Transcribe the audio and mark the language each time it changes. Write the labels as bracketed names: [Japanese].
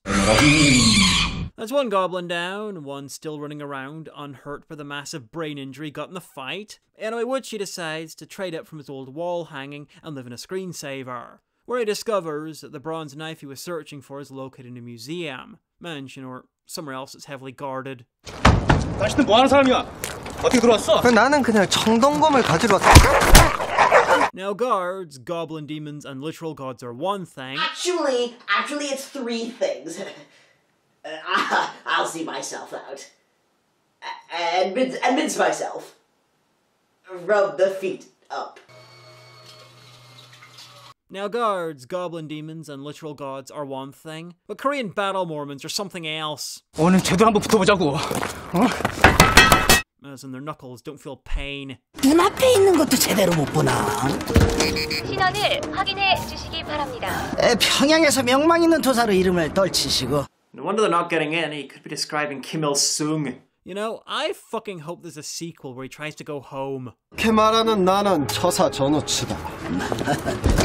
[English] That's one goblin down, one still running around, unhurt by the massive brain injury got in the fight. Anyway, Woochie decides to trade up from his old wall hanging and live in a screensaver, where he discovers that the bronze knife he was searching for is located in a museum, mansion, or somewhere else that's heavily guarded. [Korean] 당신은 뭐 하는 사람이야? 어떻게 들어왔어? 나는 그냥 청동검을 가지러 왔어. [English] Now guards, goblin demons, and literal gods are one thing. Actually, it's three things. I'll see myself out. And mince myself. Rub the feet up. Now guards, goblin demons, and literal gods are one thing, but Korean battle Mormons are something else. [Korean] 오늘 제대로 한번 붙어보자고. 어? [English] As in their knuckles don't feel pain. [Korean] 눈앞에 있는 것도 제대로 못 보나. 신원을 확인해 주시기 바랍니다. 평양에서 명망 있는 도사로 이름을 떨치시고. [English] No wonder they're not getting in. He could be describing Kim Il-sung. You know, I fucking hope there's a sequel where he tries to go home. [Korean] 그 말하는 나는 처사 전우치다.